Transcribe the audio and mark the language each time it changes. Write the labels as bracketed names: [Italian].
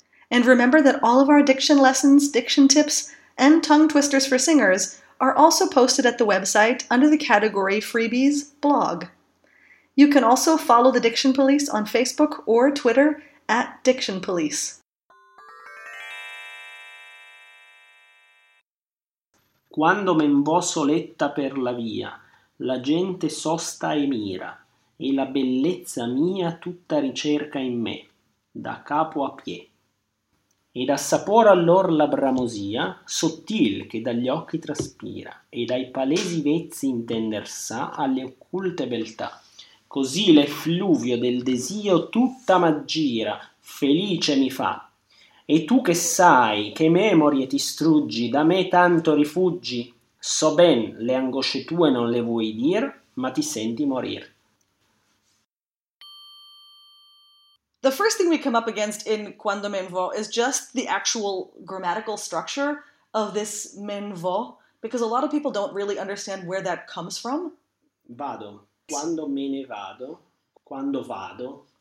[English] And remember that all of our diction lessons, diction tips, and tongue twisters for singers are also posted at the website under the category Freebies Blog. You can also follow the Diction Police on Facebook or Twitter at Diction Police. [Italian] Quando men vo soletta per la via, la gente sosta e mira, e la bellezza mia tutta ricerca in me, da capo a pie. Ed assapora allor la bramosia, sottil che dagli occhi traspira, e dai palesi vezzi intender sa alle occulte beltà. Così l'effluvio del desio tutta m'aggira, felice mi fa. E tu che sai, che memorie ti struggi, da me tanto rifuggi, so ben le angosce tue non le vuoi dir, ma ti senti morir. [English] The first thing we come up against in Quando Men Vo is just the actual grammatical structure of this men vo, because a lot of people don't really understand where that comes from. [Italian] Vado. Quando me ne vado. Quando vado.